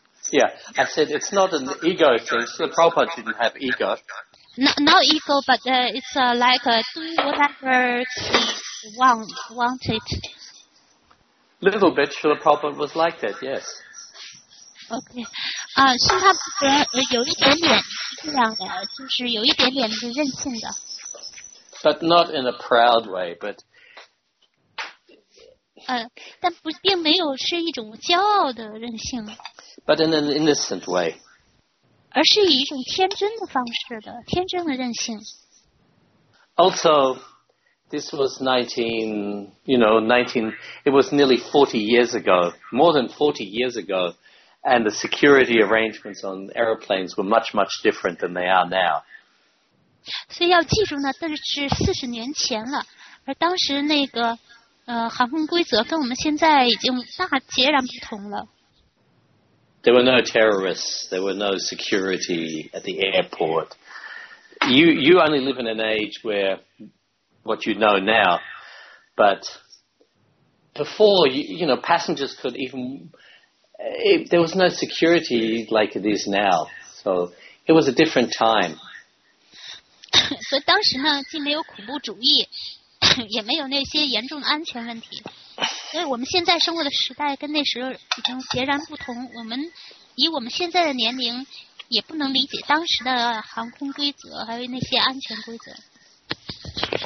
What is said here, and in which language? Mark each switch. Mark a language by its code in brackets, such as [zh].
[en] Yeah, I said it's not an ego thing. The Prabhupada didn't have ego. Not ego, but it's like do whatever he wanted. Little bit, Srila Prabhupada was like that, yes. Okay. [zh] 啊，是他有一点点这样的，就是有一点点的任性的。 [en] But not in a proud way, but. [zh] 但不并没有是一种骄傲的任性。 [en] But in an innocent way. [zh] 而是以一种天真的方式的，天真的任性。 [en] Also, this was 19, it was nearly 40 years ago, more than 40 years ago, and the security arrangements on aeroplanes were much, much different than they are now. [zh] 所以要记住呢，这是40年前了，而当时那个航空规则跟我们现在已经大截然不同了。 [en] There were no terrorists, there were no security at the airport. You only live in an age where what you know now, but before, passengers could even, there was no security like it is now. So it was a different time. [zh] 所以当时呢，既没有恐怖主义，也没有那些严重的安全问题。所以我们现在生活的时代跟那时候已经截然不同。我们以我们现在的年龄也不能理解当时的航空规则，还有那些安全规则。